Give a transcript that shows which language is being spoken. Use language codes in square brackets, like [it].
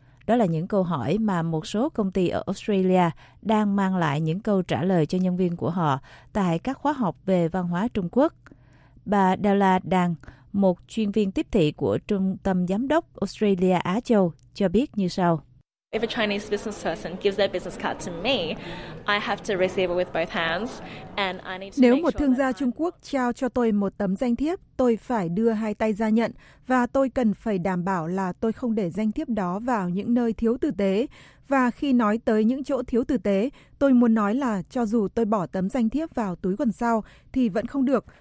[vi] Đó là những câu hỏi mà một số công ty ở Australia đang mang lại những câu trả lời cho nhân viên của họ tại các khóa học về văn hóa Trung Quốc. Bà Della Dan, một chuyên viên tiếp thị của Trung tâm Giám đốc Australia Á Châu, cho biết như sau. [en] If a Chinese business person gives their business card to me, I have to receive it with both hands and I need to. [vi] Nếu một thương gia Trung Quốc trao cho tôi một tấm danh thiếp, tôi phải đưa hai tay ra nhận và tôi cần phải đảm bảo là tôi không để danh thiếp đó vào những nơi thiếu tử tế. Và khi nói tới những chỗ thiếu tử tế, tôi muốn nói là cho dù tôi bỏ tấm danh thiếp vào túi quần sau thì vẫn không được.